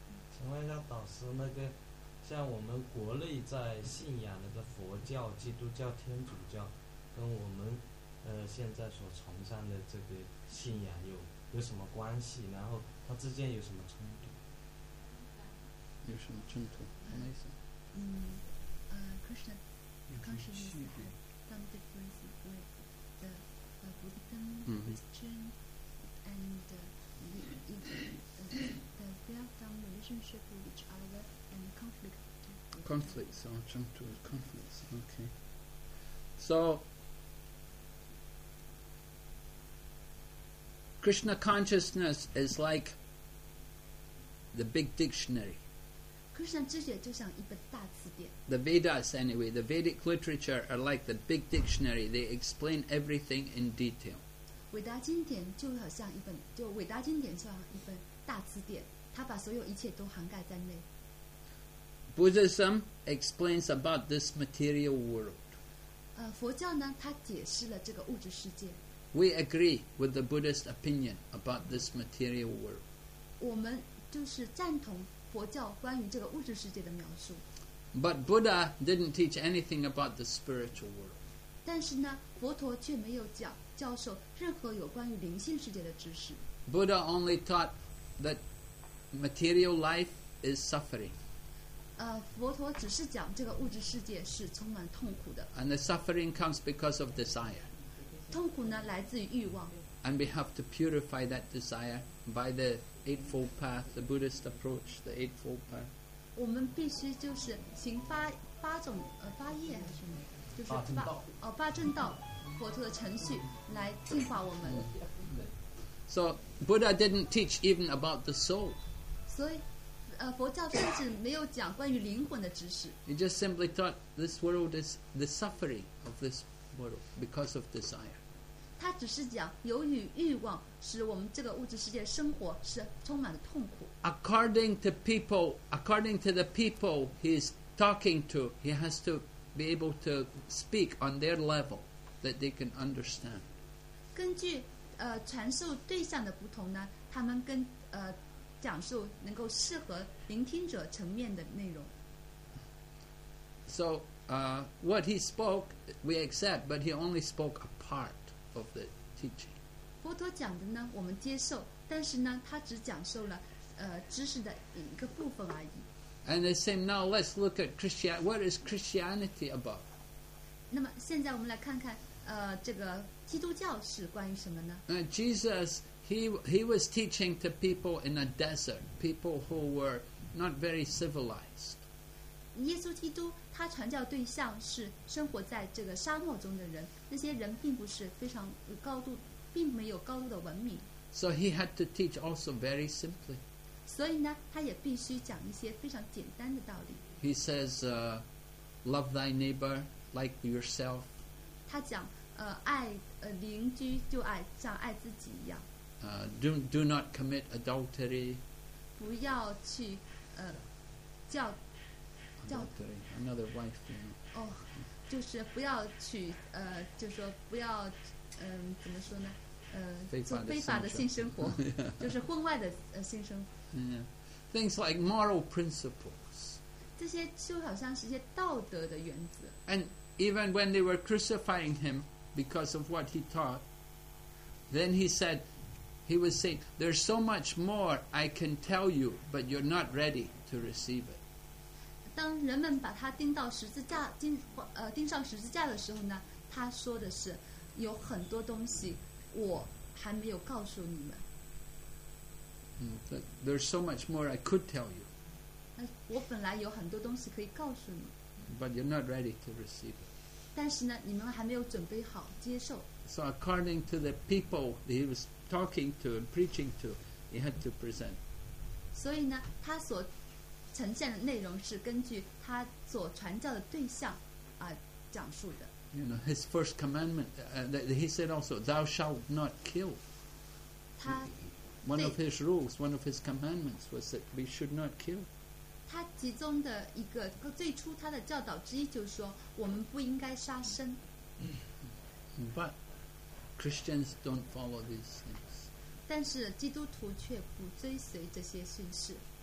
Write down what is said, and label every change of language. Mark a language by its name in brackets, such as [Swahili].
[Chinese] 请问一下导师，那个像我们国内在信仰那个佛教、基督教、天主教，跟我们现在所崇尚的这个信仰有什么关系？然后它之间有什么冲突？有什么冲突？什么意思？ [English] Krishna consciousness has some difference with the Buddhism, Christian, and they have some relationship with each other and conflict. Conflicts, or chungtu is conflicts. Okay. So, Krishna consciousness is like the big dictionary. The Vedas, anyway, the Vedic literature are like the big dictionary. They explain everything in detail. [Chinese] 伟达经典就好像一本，就伟达经典像一本大词典，它把所有一切都涵盖在内。 [English] Buddhism explains about this material world. [Chinese] 佛教呢，它解释了这个物质世界。 [English] We agree with the Buddhist opinion about this material world. [Chinese] 我们就是赞同。佛教关于这个物质世界的描述。 [English] But Buddha didn't teach anything about the spiritual world. [Chinese] 但是呢，佛陀却没有教授任何有关于灵性世界的知识。 [English] Buddha only taught that material life is suffering. [Chinese] 佛陀只是讲这个物质世界是充满痛苦的。 [English] And the suffering comes because of desire. [Chinese] 痛苦呢，来自于欲望。 [English] And we have to purify that desire by the Eightfold Path, the Buddhist approach, the Eightfold Path. [Chinese] 我们必须就是行八种八业还是什么？就是八正道，佛陀的程序来净化我们。 [English] So Buddha didn't teach even about the soul. [Chinese] 所以，佛教甚至没有讲关于灵魂的知识。 [English] He just simply taught this world is the suffering of this world because of desire. [Chinese] 他只是讲由于欲望使我们这个物质世界生活是充满了痛苦。 [English] According to the people he's talking to, he has to be able to speak on their level that they can understand. [Chinese] 根据传授对象的不同呢，他们跟讲述能够适合聆听者层面的内容。 [English] So, what he spoke, we accept, but he only spoke a part. Of the teaching. [Chinese] 佛陀讲的呢，我们接受，但是呢，他只讲授了知识的一个部分而已。 [English] And they say, now let's look at Christianity. What is Christianity about? [Chinese] 那么现在我们来看看这个基督教是关于什么呢？ [English] Jesus, he was teaching to people in a desert, people who were not very civilized. [Chinese] 耶稣基督他传教对象是生活在这个沙漠中的人，那些人并不是非常高度，并没有高度的文明。 [English] So he had to teach also very simply. [Chinese] 所以呢，他也必须讲一些非常简单的道理。 [English] He says, "Love thy neighbor like yourself." [Chinese] 他讲，爱邻居就爱像爱自己一样。 [English] Do not commit adultery. [Chinese] 不要去，叫。 [English] Another wife, you know. [Chinese] 就是不要娶，就说不要，怎么说呢？非法的性生活，就是婚外的性生活。 [English] Yeah. Things like moral principles. [Chinese] 这些就好像是一些道德的原则。 [English] And even when they were crucifying him because of what he taught, then he said, He was saying, there's so much more I can tell you, but you're not ready to receive it. [Chinese] 当人们把他钉到十字架，钉，钉上十字架的时候呢，他说的是，有很多东西我还没有告诉你们。 [English] But there's so much more I could tell you. [Chinese] 我本来有很多东西可以告诉你。 [English] But you're not ready to receive it. [Chinese] 但是呢，你们还没有准备好接受。 [English] So according to the people that he was talking to and preaching to, he had to present. [Chinese] 所以呢，他所呈现的内容是根据他所传教的对象啊讲述的。 [English] You know, his first commandment, he said also, "Thou shalt not kill." [Chinese] 他 [English] one of his rules, one of his commandments was that we should not kill. [Chinese] 他其中的一个最初他的教导之一就是说，我们不应该杀生。 [English] But Christians don't follow these things. [Chinese] 但是基督徒却不追随这些训示。